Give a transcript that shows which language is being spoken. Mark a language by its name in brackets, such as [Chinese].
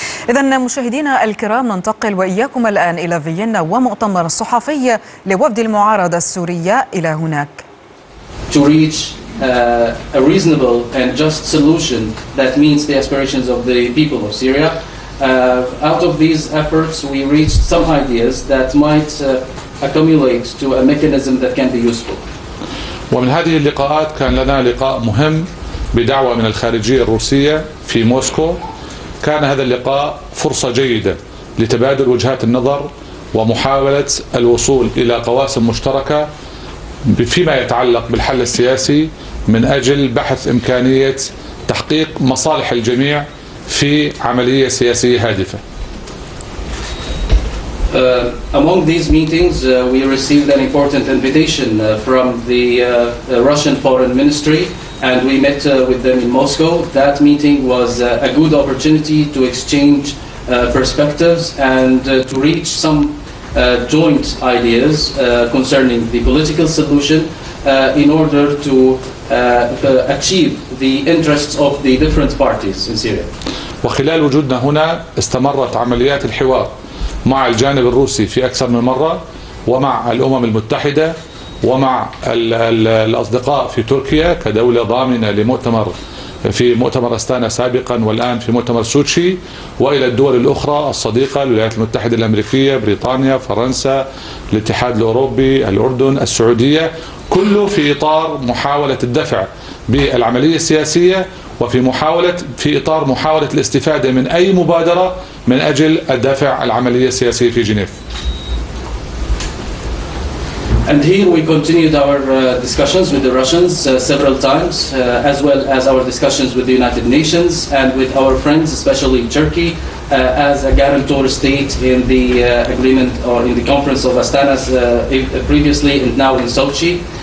[Arabic] إذن مشاهدينا الكرام، ننتقل وإياكم الآن إلى فيينا ومؤتمر الصحفي لوفد المعارضة السورية إلى هناك. [English] To reach a reasonable and just solution that meets the aspirations of the people of Syria. Out of these efforts, we reached some ideas that might accumulate to a mechanism that can be useful. [Arabic] ومن هذه اللقاءات كان لنا لقاء مهم بدعوة من الخارجية الروسية في موسكو. كان هذا اللقاء فرصة جيدة لتبادل وجهات النظر ومحاولة الوصول إلى قواسم مشتركة فيما يتعلق بالحل السياسي من أجل بحث إمكانية تحقيق مصالح الجميع في عملية سياسية هادفة. [English] Among these meetings, we received an important invitation from the Russian Foreign Ministry, and we met with them in Moscow. That meeting was a good opportunity to exchange perspectives and to reach some joint ideas concerning the political solution in order to achieve the interests of the different parties in Syria. [Arabic] وخلال وجودنا هنا استمرت عمليات الحوار مع الجانب الروسي في أكثر من مرة، ومع الأمم المتحدة، ومع الأصدقاء في تركيا كدولة ضامنة لمؤتمر في مؤتمر أستانا سابقا والآن في مؤتمر سوتشي، وإلى الدول الأخرى الصديقة، الولايات المتحدة الأمريكية، بريطانيا، فرنسا، الاتحاد الأوروبي، الأردن، السعودية، كله في إطار محاولة الدفع بالعملية السياسية، وفي محاولة في إطار محاولة الاستفادة من أي مبادرة من أجل الدفع العملية السياسية في جنيف. [English] And here we continued our discussions with the Russians several times, as well as our discussions with the United Nations and with our friends, especially Turkey, as a guarantor state in the agreement or in the conference of Astana previously and now in Sochi.